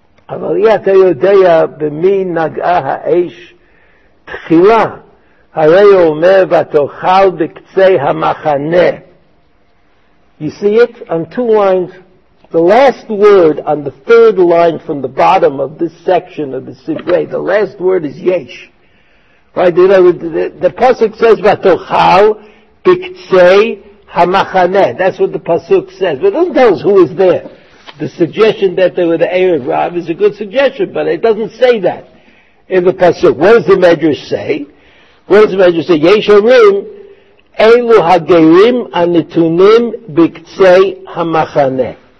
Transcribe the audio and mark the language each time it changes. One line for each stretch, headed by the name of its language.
Hebrew: אבל יא אתה יודע במי נגעה האש תחילה, הרי הוא אומר ותאכל בקצה המחנה.
English: You see it? On two lines, the last word on the third line from the bottom of this section of the Sifrei, the last word is yesh. Right? The pasuk says
Hebrew: ותאכל בקצה המחנה.
English: That's what the pasuk says. But it doesn't tell us who is there. The suggestion that they were the Erev Rav is a good suggestion, but it doesn't say that in the Pasuk. What does the Medrash say?
Hebrew: Yesh Orim, Eilu Hagerim Anitunim Biktzei Hamachane.